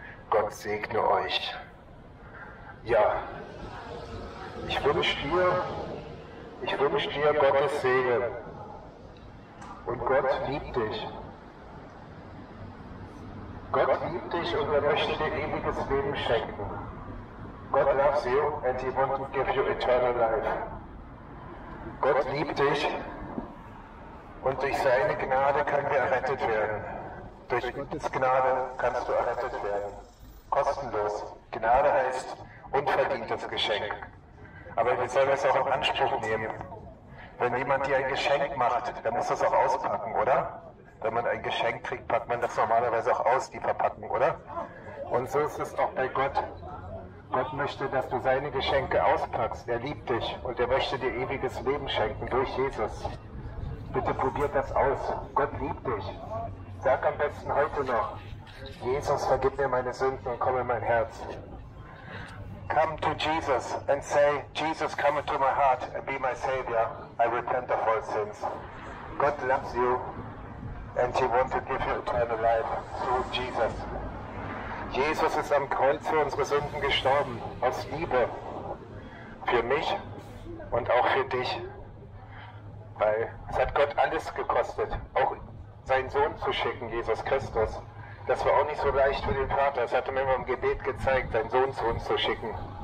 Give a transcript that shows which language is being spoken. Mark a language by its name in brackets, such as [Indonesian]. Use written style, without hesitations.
[German] Gott segne euch. Ja, ich wünsche dir Gottes Segen. Und Gott liebt dich. Gott liebt dich und er möchte dir ewiges Leben schenken. [English] God loves you and he wants to give you eternal life. [German] Gott liebt dich und durch seine Gnade können wir errettet werden. Durch Gottes Gnade kannst du errettet werden. Kostenlos. Gnade heißt unverdientes Geschenk. Aber wir sollen es auch in Anspruch nehmen. Wenn jemand dir ein Geschenk macht, dann muss das auch auspacken, oder? Wenn man ein Geschenk kriegt, packt man das normalerweise auch aus, die Verpackung, oder? Und so ist es auch bei Gott. Gott möchte, dass du seine Geschenke auspackst. Er liebt dich und er möchte dir ewiges Leben schenken durch Jesus. Bitte probier das aus. Gott liebt dich. Sag am besten heute noch, Jesus, vergib mir meine Sünden und komm in mein Herz. [English] Come to Jesus and say, Jesus, come into my heart and be my Savior. I repent of all sins. God loves you and he wants to give you eternal life through Jesus. [German] Jesus ist am Kreuz für unsere Sünden gestorben, aus Liebe, für mich und auch für dich. Weil es hat Gott alles gekostet, auch seinen Sohn zu schicken, Jesus Christus. Das war auch nicht so leicht für den Vater, das hat er mir immer im Gebet gezeigt, seinen Sohn zu uns zu schicken.